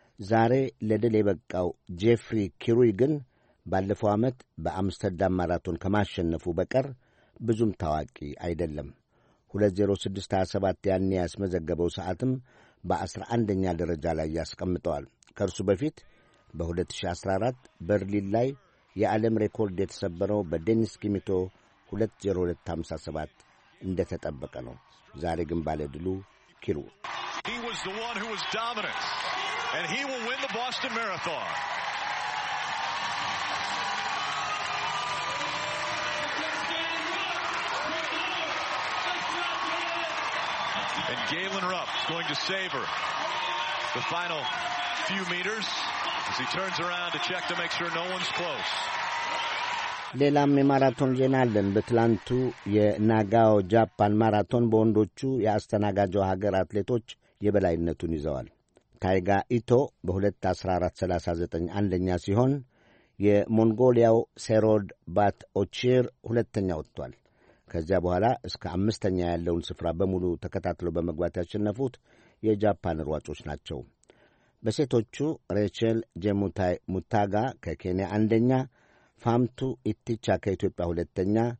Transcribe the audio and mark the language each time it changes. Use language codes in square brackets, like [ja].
[am] ዛሬ ለድል የበቃው ጄፍሪ ኪሩይ ግን ባለፈው ዓመት በአምስተርዳም ማራቶን ከማሸነፉ በቀር ብዙም ታዋቂ አይደለም። 2:06:27 ያኔ ያስመዘገበው ሰዓትም በ11ኛ ደረጃ ላይ ያስቀምጠዋል። ከእርሱ በፊት በ2014 በርሊን ላይ የዓለም ሬኮርድ የተሰበረው በዴኒስ ኪሚቶ 2:02:57 እንደ ተጠበቀ ነው። ዛሬ ግን ባለድሉ ኪሩ [en] He was the one who was dominant and he will win the Boston Marathon. And Galen Rupp going to savor the final few meters as he turns around to check to make sure no one's close. [am] ሌላም የማራቶን ዜና አለን። በትላንቱ የናጋዮ ጃፓን ማራቶን በወንዶቹ የአስተናጋጀው ሀገር አትሌቶች የበላይነቱን ይዘዋል። ታይጋ ኢቶ በ2:14:39 አንደኛ ሲሆን የሞንጎሊያው ሴሮድ ባት ኦቺር ሁለተኛ ወጥቷል። ከዚያ በኋላ እስከ አምስተኛ ያለውን ስፍራ በሙሉ ተከታትለው በመግባት ያሸነፉት የጃፓን ሯጮች ናቸው። በሴቶቹ ሬቸል ጄሙታይ ሙታጋ ከኬንያ አንደኛ፣ ፋምቱ ኢቲቻ ከኢትዮጵያ ሁለተኛ፣